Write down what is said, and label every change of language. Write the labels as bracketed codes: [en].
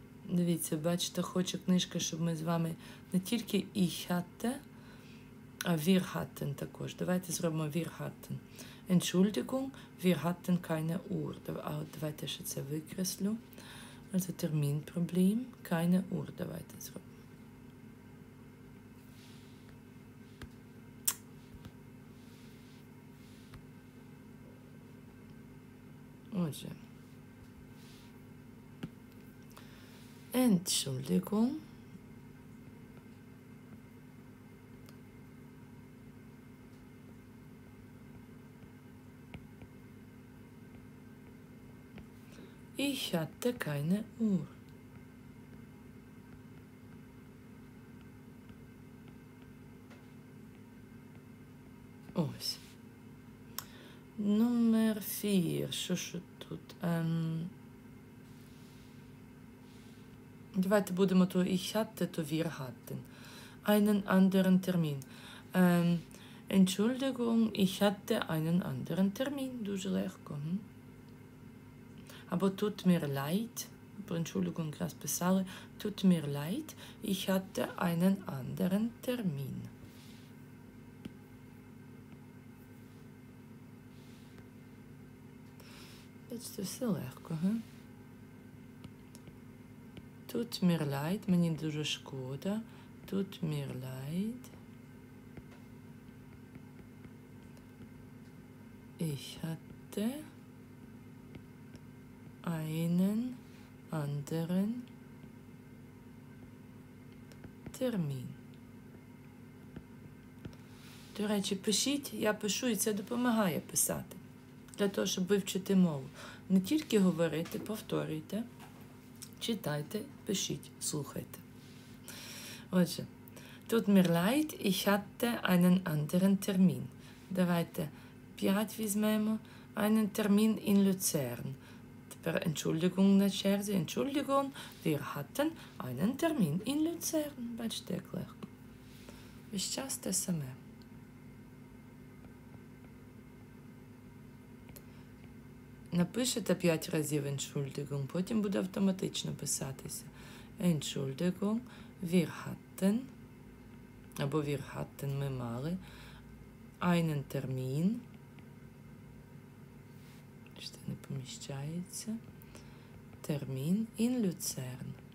[uk] Дивіться, бачите, хоче книжка, щоб ми з вами не тільки [de] ich hatte, [uk] а [de] wir hatten [uk] також. Давайте зробимо [de] wir hatten. Entschuldigung, wir hatten keine Uhr. [uk] Давайте ще це викреслю. [de] Also Terminproblem, keine Uhr, [uk] давайте зробимо. [de] Отже, Entschuldigung, ich hatte keine Uhr. [uk] Ось. Номер 4. Що тут? Давайте будемо то [de] ich hatte, [uk] то [de] wir hatten. Einen anderen Termin. Entschuldigung, ich hatte einen anderen Termin. [uk] Дуже легко. [de] Або тут mir leid. Entschuldigung, krass писали. Тут mir leid, ich hatte einen anderen Termin. [uk] Це все легко, га? [de] Тут мір лайт, [uk] мені дуже шкода. [de] Тут мір лайт. Ich hatte einen anderen Termin. [uk] До речі, пишіть, я пишу, і це допомагає писати. Для того, щоб вивчити мову. Не тільки говорити, повторюйте, читайте, пишіть, слухайте. [de] Отже, тут mir leid, ich hatte einen anderen Termin. [uk] Давайте 5 візьмемо. [de] Einen Termin in Luzern. [uk] Тепер Entschuldigung на черзі. [de] Entschuldigung, wir hatten einen Termin in Luzern. [uk] Бачите, як легко. Весь час те саме. Напишете 5 разів Entschuldigung, потім буде автоматично писатися. [de] Entschuldigung, wir hatten, або wir hatten, [uk] ми мали, [de] einen Termin, [uk] що не поміщається, [de] Termin in Luzern.